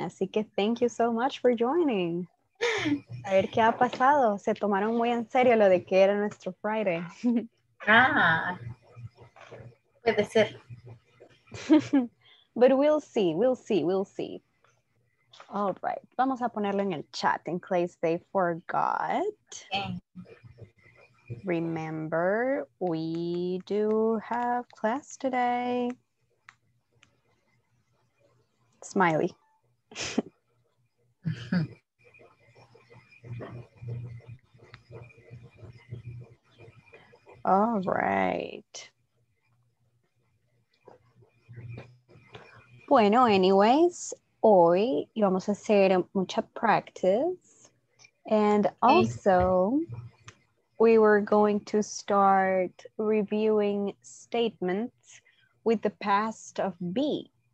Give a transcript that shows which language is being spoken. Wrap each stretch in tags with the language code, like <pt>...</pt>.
<es>Así que</es> <en>thank you so much for joining.</en> <es>A ver qué ha pasado. Se tomaron muy en serio lo de que era nuestro Friday. Ah, puede ser.</es> <en>But we'll see, we'll see, we'll see. All right,</en> <es>vamos a ponerlo en el chat</es> <en>in case they forgot. Remember, we do have class today. Smiley. All right.</en> <es>Bueno, anyways, hoy vamos a hacer mucha practice.</es> <en>And also, we were going to start reviewing statements with the past of be.</en>